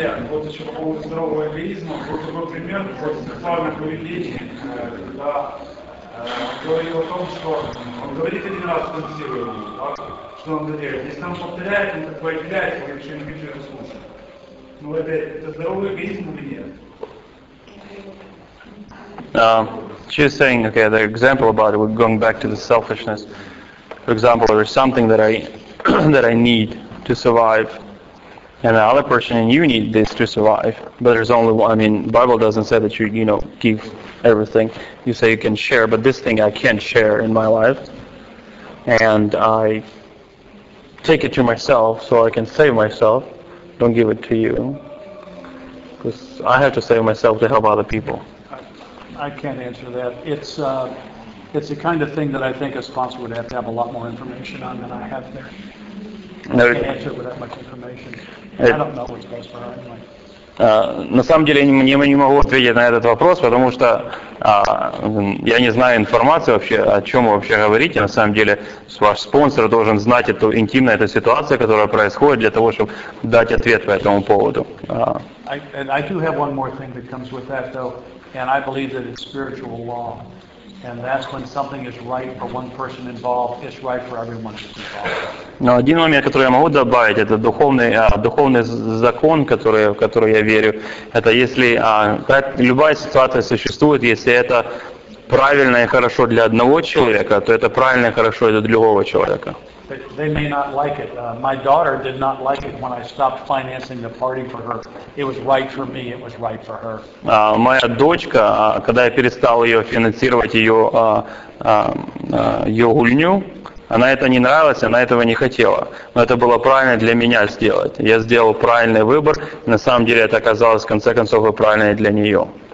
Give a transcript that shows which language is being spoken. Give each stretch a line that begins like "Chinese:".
Russian: Вот еще по поводу здорового эгоизма, вот такой пример, вот сексуальное поведение, когда говорил о том, что он говорит один раз фантазируемо, так, что надо делать, если он повторяет, он как бы отделяет, я вообще не хочу его слушать. Ну это здоровый эгоизм или нет?
English: She's saying, okay, the example about it, going back to the selfishness, for example, there's something that I need to survive, and the other person, and you need this to survive, but there's only one. I mean, Bible doesn't say that you give everything. You say you can share, but this thing I can't share in my life, and I take it to myself so I can save myself. Don't give it to you, because I have to save myself to help other people. I can't answer that. It's the kind of thing that I think a sponsor would have to have a lot more information on than I have there.
Russian: На самом деле не могу ответить на этот вопрос, потому что я не знаю информации вообще, о чем вы вообще говорите. На самом деле ваш спонсор должен знать эту интимную эту ситуацию, которая происходит, для того, чтобы дать ответ по этому поводу.
English: I do have one more thing that comes with that, though, and I believe that it's spiritual law. And that's when something is right for one person involved, it's right for everyone involved.
Russian: Но один момент, который я могу добавить, это духовный закон, который я верю, это если любая ситуация существует, если это правильно и хорошо для одного человека, то это правильно и хорошо для другого человека.
English: They may not like it. My daughter did not like it when I stopped financing the party for her. It was right for me. It was right for her.
Russian: Моя дочка, когда я перестал ее финансировать ее гульню, она это не нравилась, она этого не хотела. Но это было правильно для меня сделать. Я сделал правильный выбор. На самом деле это оказалось в конце концов и правильное для нее.